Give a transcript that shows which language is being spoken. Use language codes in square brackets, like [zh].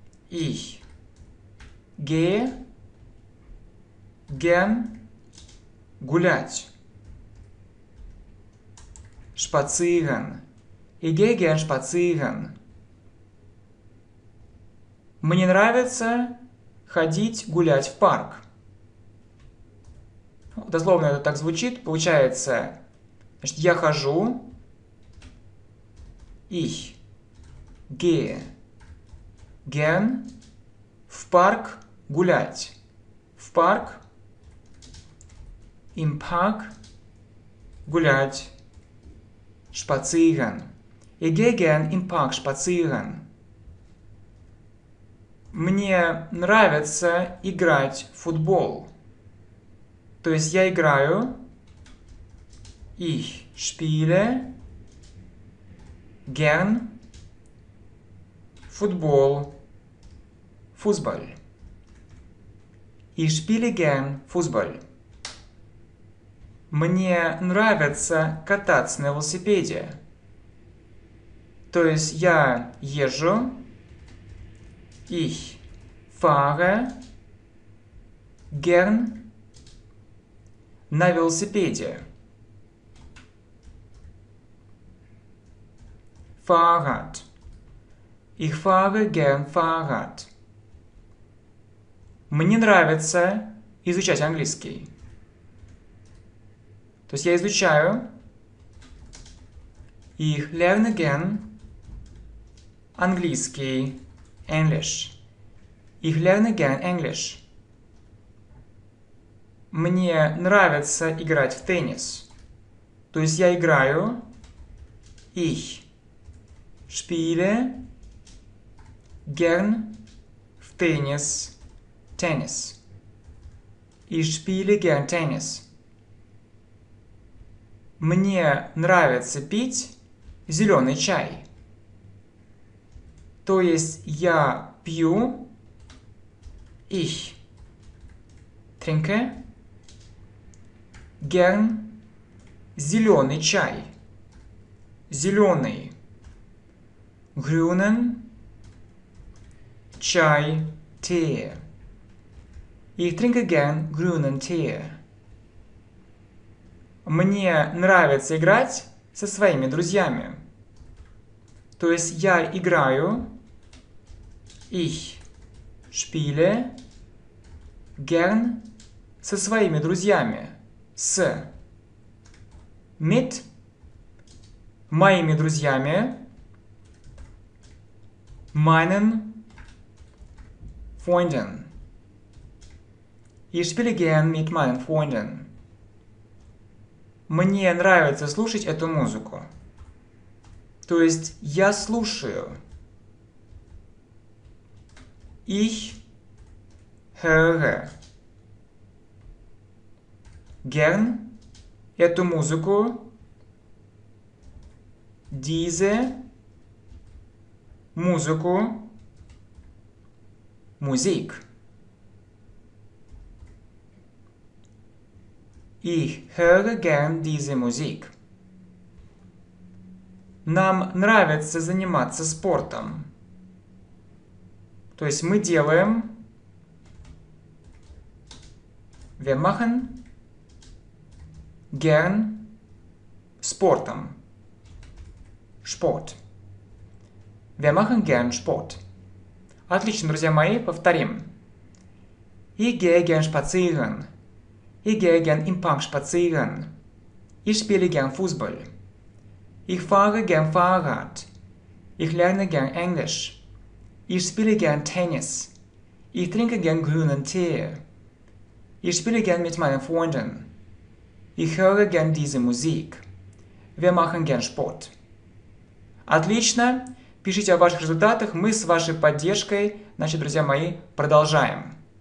[de] Ich gehe gern [ru] гулять. [de] Шпацыган. Ich gehe gern шпацыган. [ru] Мне нравится ходить гулять в парк. Дословно это так звучит. Получается, значит, я хожу. [de] Ich gehe gern [ru] в парк гулять. В парк. [de] Im Park [ru] гулять. [de] Шпацыган. Ich gehe gern im Park spazieren. [ru] Мне нравится играть в футбол. То есть я играю. [de] Ich spiele gern футбол. Фузбол. Ich spiele gern Fußball. [ru] Мне нравится кататься на велосипеде. То есть я езжу. [de] Ich fahre gern [ru] на велосипеде. [de] Fahrrad. Ich fahre gern Fahrrad. [ru] Мне нравится изучать английский. То есть я изучаю. [de] Ich lerne gern [ru] английский. [de] English. Ich lerne gern English. [ru] Мне нравится играть в теннис. То есть я играю. [de] Ich spiele gern [ru] в теннис. Теннис. [de] Ich spiele gern теннис. [ru] Мне нравится пить зеленый чай. То есть я пью. [de] Ich trinke gern [ru] зеленый чай. Зеленый. [de] Grünen [ru] чай. [de] Tee. Ich trinke gern grünen Tee. [ru] Мне нравится играть со своими друзьями. То есть я играю. [de] Ich spiele gern [ru] со своими друзьями. С. [de] Mit [ru] моими друзьями. [de] Meinen Freunden. Ich spiele gern mit meinen Freunden. [ru] Мне нравится слушать эту музыку. То есть я слушаю. [de] Ich höre gern [ru] эту музыку. [de] Diese [ru] музыку. [de] Musik. Ich höre gern diese Musik. [ru] Нам нравится заниматься спортом. То есть мы делаем. [de] Wir machen gern [ru] спортом. [de] Sport. Wir machen gern Sport. Отлично, друзья мои, повторим. Ich gehe gern spazieren. Ich gehe gern im Park spazieren. Ich spiele gern Fußball. Ich fahre gern Fahrrad. Ich lerne gern Englisch. Ich spiele gern Tennis. Ich trinke gern grünen Tee. Ich spiele gern mit meinen Freunden. Ich höre gern diese Musik. Wir machen gern Sport. [ru] Отлично. Пишите о ваших результатах. Мы с вашей поддержкой, значит, друзья мои, продолжаем.